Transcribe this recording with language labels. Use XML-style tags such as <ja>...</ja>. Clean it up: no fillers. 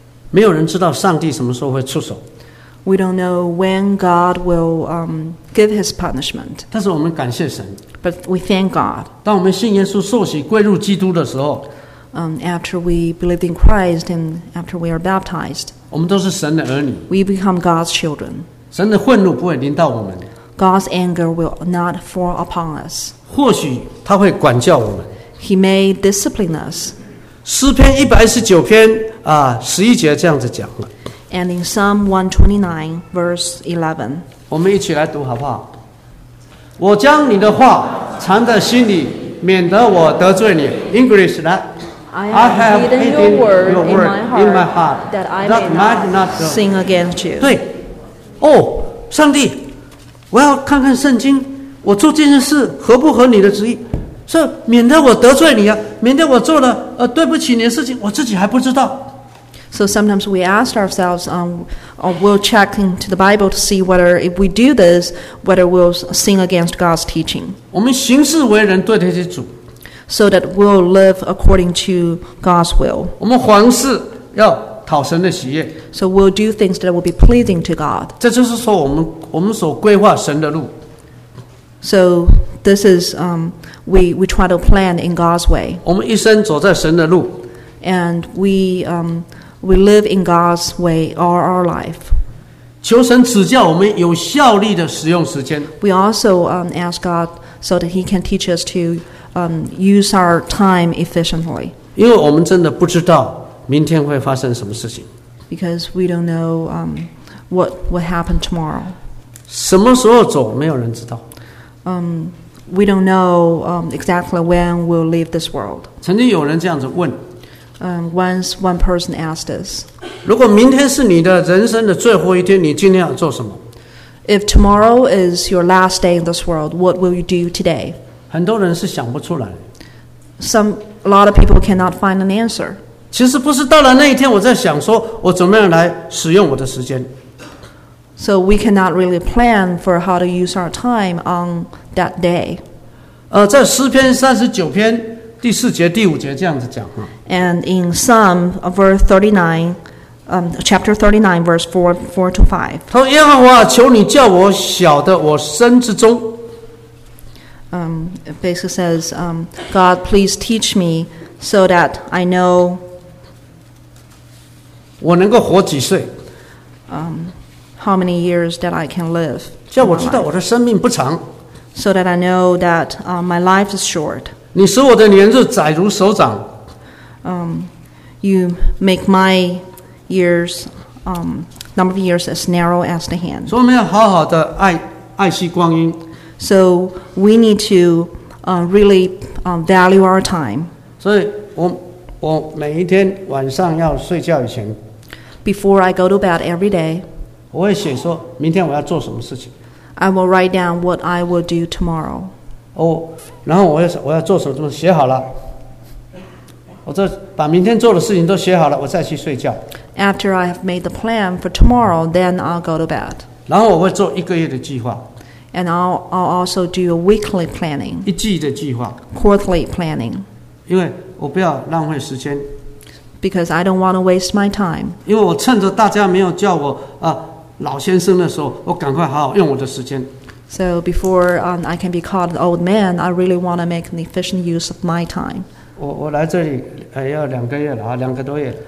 <zh>没有人知道上帝什么时候会出手。</zh> <en>We don't know when God will give his punishment.</en> <zh>但是我们感谢神。</zh> <en>But we thank God.</en> <zh>当我们信耶稣受洗归入基督的时候，</zh> <en>After we believed in Christ and after we are baptized,</en> <zh>我们都是神的儿女。</zh> <en>We become God's children.</en> <zh>神的愤怒不会临到我们。</zh> <en>God's anger will not fall upon us.</en> <zh>或许他会管教我们。</zh> <en>He may discipline us.</en> <zh>诗篇119篇十一节这样子讲了。</zh> <en>And in Psalm 129, verse 11.</en> <zh>我们一起来读好不好？我将你的话藏在心里，免得我得罪你。 English, 来。</zh> <en>I have hidden your word in my heart, that I may not sin against you.</en> <zh>对。哦，上帝，我要看看圣经，我做这件事合不合你的旨意，是免得我得罪你啊，免得我做了对不起你的事情，我自己还不知道。</zh> <en>So sometimes we ask ourselves, we'll check into the Bible to see whether if we do this, whether we'll sin against God's teaching.</en> <zh>我们行事为人对得起主。</zh> <en>So that we'll live according to God's will.</en> <zh>我们凡事要讨神的喜悦。</zh> <en>So we'll do things that will be pleasing to God.</en> <zh>这就是说我们所规划神的路。</zh> <en>So this is, we try to plan in God's way.</en> <zh>我们一生走在神的路。</zh> <en>And we live in God's way all our life.</en> <zh>求神指教我们有效力的使用时间。</zh> <en>We also ask God so that He can teach us to use our time efficiently.</en> <zh>因为我们真的不知道明天会发生什么事情。</zh> <en>Because we don't know what will happen tomorrow.</en> <zh>什么时候走，没有人知道。</zh> <en>We don't know exactly when we'll leave this world.</en> <zh>曾经有人这样子问。</zh> <en>Once one person asked us,</en> <zh>如果明天是你的人生的最后一天，你今天要做什么？</zh> <en>If tomorrow is your last day in this world, what will you do today?</en> <zh>很多人是想不出来。</zh> <en>A lot of people cannot find an answer.</en> <zh>其实不是到了那一天，我在想说我怎么样来使用我的时间。</zh> <en>So we cannot really plan for how to use our time on that day.</en> <zh>在诗篇39篇第四节第五节这样子讲。</zh> <en>And in Psalm verse 39, chapter 39, verse 4 to 5.</en> <zh>他说：“耶和华，求你叫我晓得我身之中。”</zh> <en>It basically says, God, please teach me so that I know.</en> <zh>我能够活几岁？</zh> <en>How many years that I can live?</en> <zh>叫我知道我的生命不长。</zh> <en>So that I know that my life is short.</en> <zh>你使我的年日窄如手掌。</zh> <en>You make my years, number of years as narrow as the hand.</en> <zh>所以我们要好好的爱惜光阴。</zh> <en>So we need to really value our time.</en> <zh>所以我每一天晚上要睡觉以前</zh> <en>，Before I go to bed every day，</en> <zh>我会写说明天我要做什么事情。</zh> <en>I will write down what I will do tomorrow.</en> <zh>然后我要做什么？写好了，我这把明天做的事情都写好了，我再去睡觉。</zh> <en>After I have made the plan for tomorrow, then I'll go to bed.</en> <zh>然后我会做一个月的计划。</zh> <en>And I'll also do a weekly planning.</en> <zh>一季的计划。</zh> <en>Quarterly planning.</en> <zh>因为我不要浪费时间。</zh> <en>Because I don't want to waste my time.</en> <zh>因为我趁着大家没有叫我老先生的时候，我赶快好好用我的时间。</zh> <en>So before I can be called an old man, I really want to make an efficient use of my time.</en> <zh>我来这里要两个月了，两个多月了。</zh>